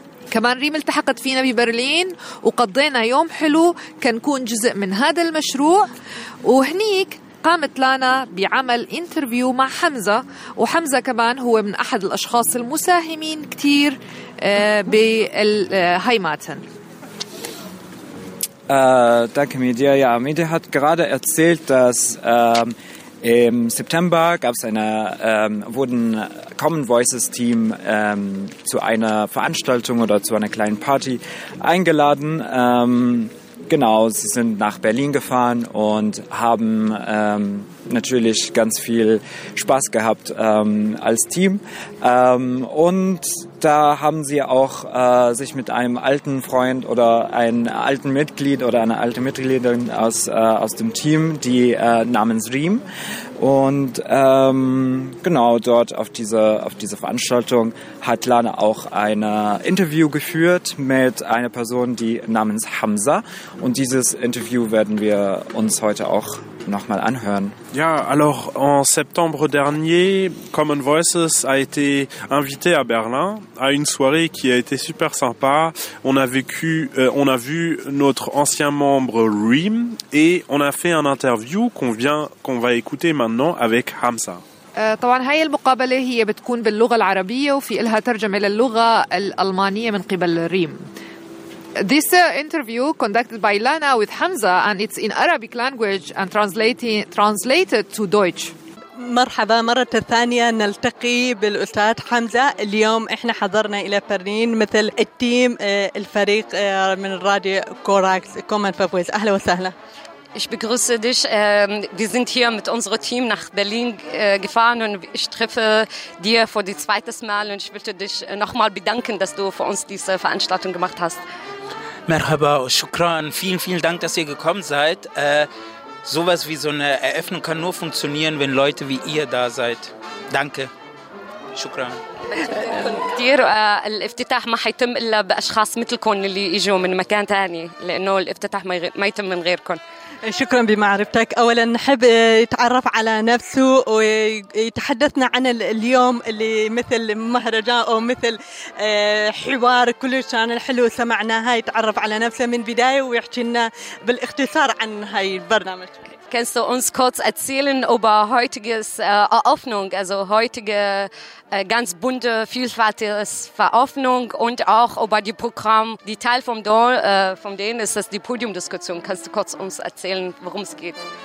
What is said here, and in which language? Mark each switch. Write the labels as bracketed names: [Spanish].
[Arabic] كمان ريم التحقت فينا ببرلين وقضينا يوم حلو كنكون جزء من هذا المشروع. وهنيك قامت لانا بعمل انترفيو مع حمزة، وحمزة كمان هو من أحد الأشخاص المساهمين كتير بالهايماتن. [German] Danke, Media. Ja, Media hat gerade erzählt, dass Im September wurden Common Voices Team zu einer Veranstaltung oder zu einer kleinen Party eingeladen. Genau, sie sind nach Berlin gefahren und haben natürlich ganz viel Spaß gehabt als Team. Und da haben sie auch sich mit einem alten Freund oder einem alten Mitglied oder einer alten Mitgliederin aus dem Team, die namens Reem. Und genau dort auf diese Veranstaltung hat Lana auch ein Interview geführt mit einer Person, die namens Hamza. Und dieses Interview werden wir uns heute auch nochmal anhören. [French] Ja, alors en septembre dernier, Common Voices a été invité à Berlin à une soirée qui a été super sympa. On a vu notre ancien membre Reem et on a fait un interview qu'on va écouter maintenant avec Hamza. [Arabic] طبعا هاي المقابلة هي بتكون باللغة العربية وفي إلها ترجمة للغة الألمانية من قبل Reem. [English] This interview conducted by Lana with Hamza and it's in Arabic language and translated to Deutsch. [Arabic] مرحبا مرة ثانية نلتقي بالأستاذ حمزة اليوم احنا حضرنا إلى برلين مثل التيم الفريق من الراديو كوراكس كومن فويس أهلا وسهلا. [German] Ich begrüße dich. Wir sind hier mit unserem Team nach Berlin gefahren und ich treffe dir für das zweite Mal und ich möchte dich nochmal bedanken, dass du für uns diese Veranstaltung gemacht hast. [Arabic] Merhaba, shukran. [German] Vielen, vielen Dank, dass ihr gekommen seid. Sowas wie so eine Eröffnung kann nur funktionieren, wenn Leute wie ihr da seid. Danke. Shukran. [Arabic] كثير الافتتاح ما حيتم إلا بأشخاص مثلكم اللي يجوا من مكان تاني لأنه الافتتاح ما يتم من غيركم شكرا بمعرفتك أولا نحب يتعرف على نفسه ويتحدثنا عن اليوم اللي مثل مهرجان أو مثل حوار كل شان الحلو سمعناها يتعرف على نفسه من بداية ويحكي لنا بالاختصار عن هاي البرنامج [German] Kannst du uns kurz erzählen über heutiges Eröffnung, also heutige ganz bunte, vielfältige Veröffnung und auch über die Programm, die Teil vom Dorn, von denen ist das die Podiumdiskussion. Kannst du kurz uns erzählen, worum es geht?